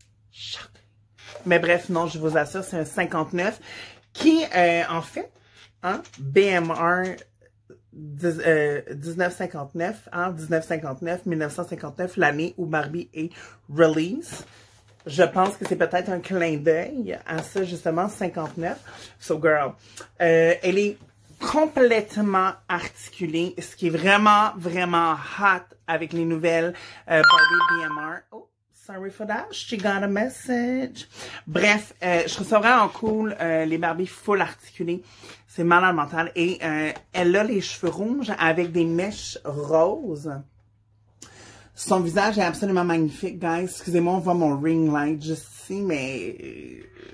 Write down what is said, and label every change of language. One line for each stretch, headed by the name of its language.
French: Choc! Mais bref, non, je vous assure, c'est un 59 qui, en fait, hein, BMR 1959, hein, 1959, 1959, l'année où Barbie est release. Je pense que c'est peut-être un clin d'œil à ça, justement, 59.
English: So, girl,
French: elle est complètement articulé, ce qui est vraiment, vraiment hot avec les nouvelles Barbie BMR.
English: Oh, sorry for that, she got a message.
French: Bref, je trouve ça vraiment cool, les Barbie full articulées, c'est malade mental. Et elle a les cheveux rouges avec des mèches roses. Son visage est absolument magnifique, guys. Excusez-moi, on voit mon ring light juste ici, mais...